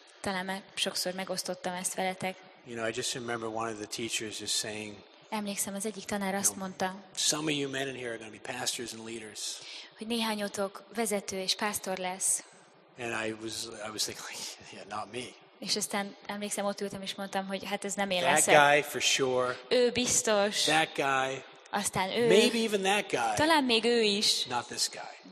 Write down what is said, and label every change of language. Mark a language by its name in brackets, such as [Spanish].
[Hungarian] Talán már sokszor megosztottam ezt veletek. [English] You know, I just remember one of the teachers just saying. [Hungarian] Emlékszem, az egyik tanár azt mondta. [English] Some of you men in here are going to be pastors and leaders. [Hungarian] Hogy néhányotok vezető és pásztor lesz. [English] And I was thinking, yeah, not me. [Hungarian] És aztán emlékszem, ott ültem és mondtam, hogy hát ez nem én leszek. [English] That guy for sure. [Hungarian] Ő biztos. [English] That guy. [Hungarian] Aztán ő. [English] Maybe even that guy. [Hungarian] Talán még ő is. [English] Not this guy.